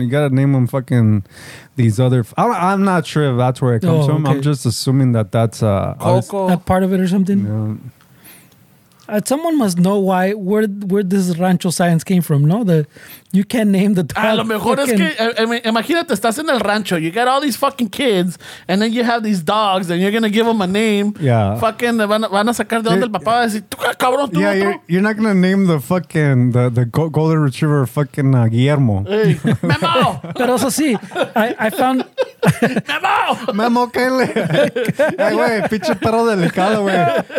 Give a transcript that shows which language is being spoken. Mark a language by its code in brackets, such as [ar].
[en] You got to name them fucking these other... I'm not sure if that's where it comes from. Okay. I'm just assuming that that's... Coco. That part of it or something? Yeah. Someone must know why where this rancho science came from, no? The you can't name the dog. [es] A lo mejor es que, imagínate, estás en el rancho. [en] You got all these fucking kids, and then you have these dogs, and you're going to give them a name. Yeah. [es] Fucking, van a sacar de donde el papá va a decir, ¿tú, cabrón, tú, [en] yeah, [es] otro? [en] You're not going to name the fucking, the golden retriever fucking Guillermo. Hey. Memo! [es] Pero eso sí, [en] I found... Memo, [es] Kenley. Ay, güey, pinche perro delicado, güey.